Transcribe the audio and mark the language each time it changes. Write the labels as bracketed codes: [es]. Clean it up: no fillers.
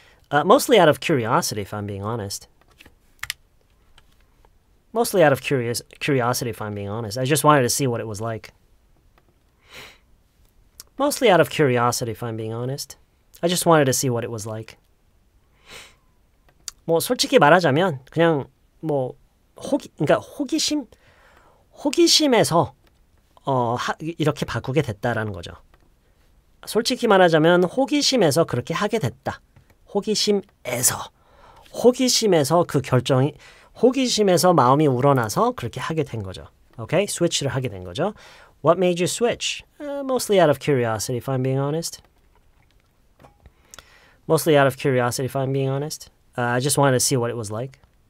[en] Mostly out of curiosity, if I'm being honest. Mostly out of curiosity, if I'm being honest. I just wanted to see what it was like. Mostly out of curiosity, if I'm being honest. I just wanted to see what it was like. [ko] 뭐 솔직히 말하자면 그냥 뭐 호기심에서 이렇게 바꾸게 됐다라는 거죠. 솔직히 말하자면 호기심에서 그렇게 하게 됐다. 호기심에서 그 결정이 호기심에서 마음이 우러나서 그렇게 하게 된 거죠. 오케이? 스위치를 하게 된 거죠. [en] What made you switch? Mostly out of curiosity if I'm being honest. Mostly out of curiosity if I'm being honest. I just wanted to see what it was like.